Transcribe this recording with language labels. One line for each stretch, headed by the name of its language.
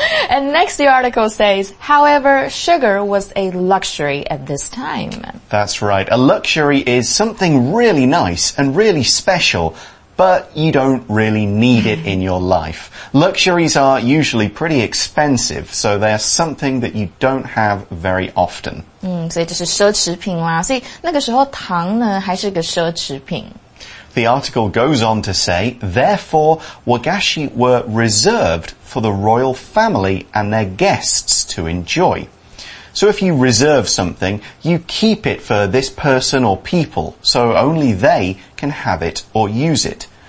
English: And next, the article says, however, sugar was a luxury at this time. That's right. A luxury is something really nice and really special, but you don't really need it in your life. Luxuries are usually pretty expensive, so they're something that you don't have very often.
Chinese: 所以这是奢侈品啦。所以那个时候糖呢还是个奢侈品。
English: The article goes on to say, therefore, Wagashi were reserved for the royal family and their guests to enjoy. So if you reserve something, you keep it for this person or people, so only they can have it or use it.